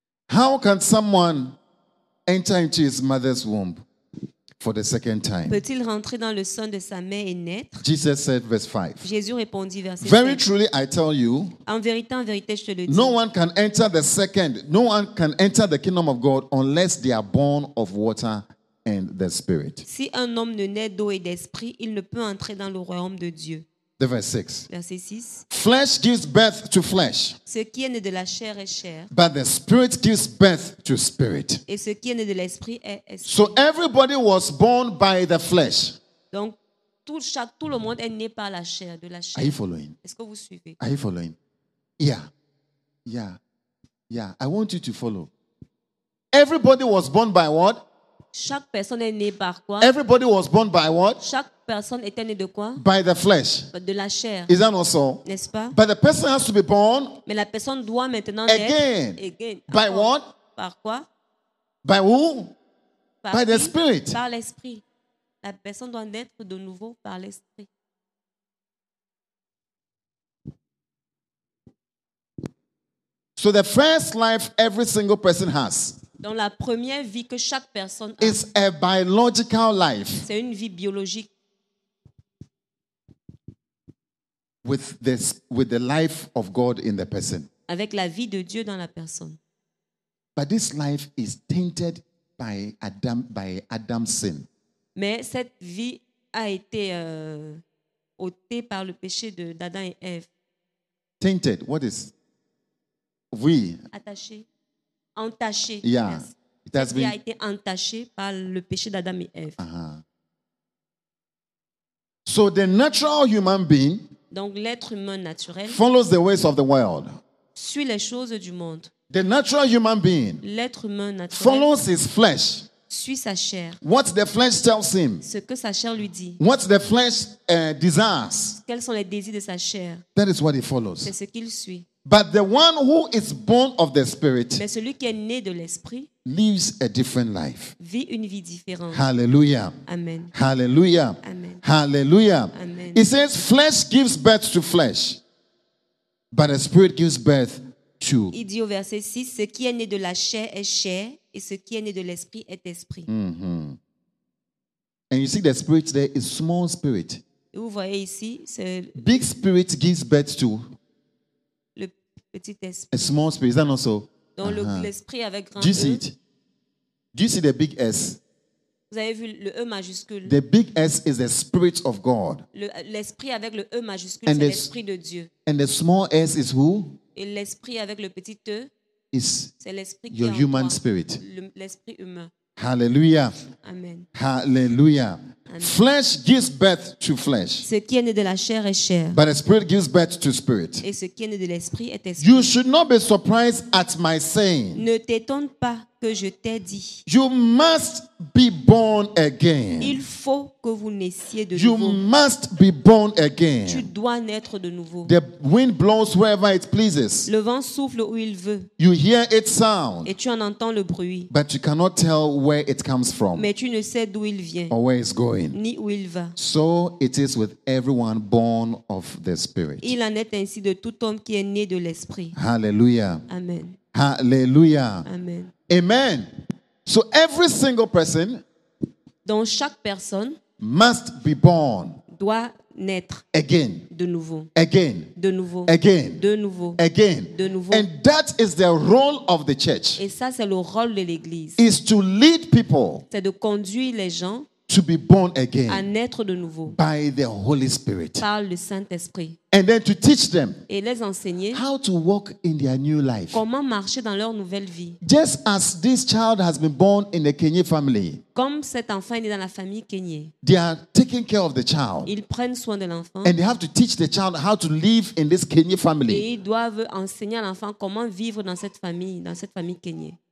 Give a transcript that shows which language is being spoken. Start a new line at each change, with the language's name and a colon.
English: How can someone enter into his mother's womb? For the second time.
French: Peut-il rentrer dans le sein de sa mère et naître?
English: Jesus said, verse 5.
French: Jésus répondit, verset 5.
English: Very truly, I tell you.
French: En vérité, je te le dis.
English: No one can enter the second. No one can enter the kingdom of God unless they are born of water and the Spirit.
French: Si un homme ne naît d'eau et d'esprit, il ne peut entrer dans le royaume de Dieu.
English: The verse 6.
French: Verset 6.
English: Flesh gives birth to flesh.
French: Ce qui est né de la chair est chair.
English: But the spirit gives birth to spirit.
French: Et ce qui est né de l'esprit est esprit.
English: So everybody was born by the flesh.
French: Donc tout le monde est né par la chair, de la chair.
English: Are you following?
French: Est-ce que vous suivez?
English: Are you following? Yeah. Yeah. Yeah. I want you to follow. Everybody was born by what?
French: Chaque personne est née par quoi?
English: Everybody was born by what?
French: Chaque personne était née de quoi?
English: By the flesh.
French: De la chair.
English: Is that not so?
French: N'est-ce pas?
English: But the person has to be born.
French: Mais la personne doit maintenant
English: again.
French: Naître. Again.
English: By what?
French: Par quoi?
English: By who? By the spirit.
French: Par l'esprit. La personne doit naître de nouveau par l'esprit.
English: So the first life every single person has.
French: Dans la première vie que chaque personne a.
English: It's a biological life.
French: C'est une vie biologique.
English: With the life of God in the person.
French: Avec la vie de Dieu dans la personne.
English: But this life is tainted by Adam's sin.
French: Mais cette vie a été ôtée par le péché d'Adam et Ève.
English: Tainted, what is? Oui.
French: Attaché. Entaché.
English: Yeah. Yes.
French: A été entaché par le péché d'Adam et Ève. Uh-huh.
English: So the natural human being.
French: Donc l'être humain naturel.
English: Follows the ways of the world.
French: Suit les choses du monde.
English: The natural human being.
French: L'être humain naturel.
English: Follows his flesh.
French: Suit sa chair.
English: What the flesh tells him.
French: Ce que sa chair lui dit.
English: What the flesh desires.
French: Quels sont les désirs de sa chair.
English: That is what he follows.
French: C'est ce qu'il suit.
English: But the one who is born of the Spirit.
French: Mais celui qui est né de l'esprit.
English: Lives a different life.
French: Vit une vie différente.
English: Hallelujah. Amen. Hallelujah. Amen. Hallelujah. Amen. It says, "Flesh gives birth to flesh, but the Spirit gives birth to."
French: Il dit au verset 6, ce qui est né de la chair est chair, et ce qui est né de l'esprit est esprit. Mm-hmm.
English: And you see, the Spirit there is small spirit.
French: Vous voyez ici, c'est
English: big spirit gives birth to.
French: petit esprit.
English: A small spirit, is that not so?
French: Dans l'esprit avec grand.
English: Do you see it? Do you see the big S?
French: Vous avez vu le E majuscule?
English: The big S is the spirit of God.
French: L'esprit avec le E majuscule, c'est l'esprit de Dieu.
English: And the small S is who?
French: Et l'esprit avec le petit E, c'est l'esprit
English: your human spirit.
French: L'esprit humain.
English: Hallelujah. Amen. Hallelujah. Amen. Flesh gives birth to flesh.
French: Ce qui est né de la chair est chair.
English: But the spirit gives birth to spirit.
French: Et ce qui est né de l'esprit est esprit.
English: You should not be surprised at my saying.
French: Ne t'étonne pas que je t'ai dit.
English: You must be born again.
French: Il faut que vous naissiez de
English: you
French: nouveau.
English: You must be born again.
French: Tu dois naître de nouveau.
English: The wind blows wherever it pleases.
French: Le vent souffle où il veut.
English: You hear its sound.
French: Et tu en entends le bruit.
English: But you cannot tell where it comes from.
French: Mais tu ne sais d'où il vient.
English: Or where it's going.
French: Ni où il va.
English: So it is with everyone born of the Spirit.
French: Il en est ainsi de tout homme qui est né de l'Esprit.
English: Hallelujah. Amen. Hallelujah. Amen. Amen. So every single person,
French: dans chaque personne,
English: must be born,
French: doit naître,
English: again,
French: de nouveau,
English: again,
French: de nouveau,
English: again,
French: de nouveau,
English: again,
French: de nouveau.
English: And that is the role of the church.
French: Et ça c'est le rôle de l'Église.
English: Is to lead people.
French: C'est de conduire les gens.
English: To be born again.
French: À naître de nouveau.
English: By the Holy Spirit.
French: Par le Saint-Esprit.
English: And then to teach them.
French: Et les enseigner.
English: How to walk in their new life.
French: Comment marcher dans leur nouvelle vie.
English: Just as this child has been born in the Kenyan family.
French: Comme cet enfant est né dans la famille Kenyan.
English: They are taking care of the child.
French: Ils prennent soin de l'enfant.
English: And they have to teach the child how to live in this Kenyan family.
French: Et ils doivent enseigner à l'enfant comment vivre dans cette famille Kenyan.